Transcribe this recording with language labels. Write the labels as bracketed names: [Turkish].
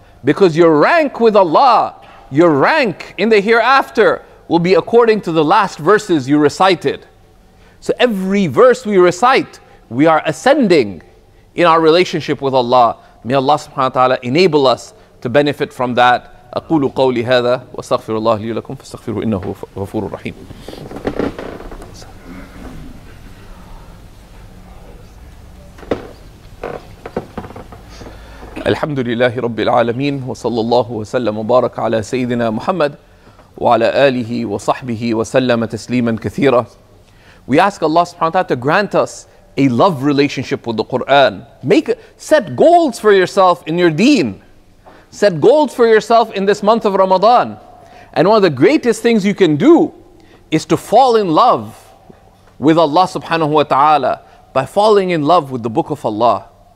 [English] Because your rank with Allah, your rank in the hereafter will be according to the last verses you recited. So every verse we recite, we are ascending in our relationship with Allah. May Allah subhanahu wa ta'ala enable us to benefit from that. [Arabic] أقول قولي هذا واستغفر الله لي لكم فاستغفروه إنه غفور رحيم. الحمد لله رب العالمين وصلى الله وسلم وبارك على سيدنا محمد وعلى آله وصحبه وسلم تسليما كثيرا. [English] We ask Allah subhanahu wa ta'ala to grant us a love relationship with the Quran. Make, set goals for yourself in your deen. Set goals for yourself in this month of Ramadan. And one of the greatest things you can do is to fall in love with Allah subhanahu wa ta'ala by falling in love with the Book of Allah.